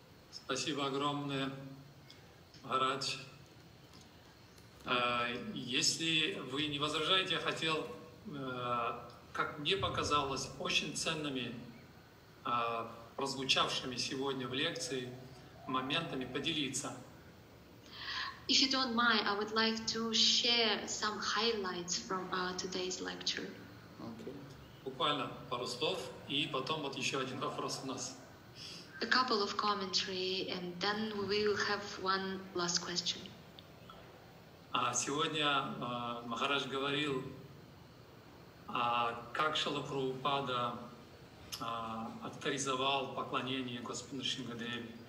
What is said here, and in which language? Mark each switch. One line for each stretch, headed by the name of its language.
Russian: Спасибо огромное, Махарадж. Если вы не возражаете, я хотел, как мне показалось, очень ценными прозвучавшими сегодня в лекции моментами поделиться.
English: If you don't mind, I would like to share some highlights from today's lecture. Okay.
Russian: Буквально пару слов, и потом вот еще один вопрос у нас.
English: A couple of commentary, and then we will have one last question.
Russian: Сегодня Махарадж говорил, как Шрила Прабхупада авторизовал поклонение Господу Шримадеве.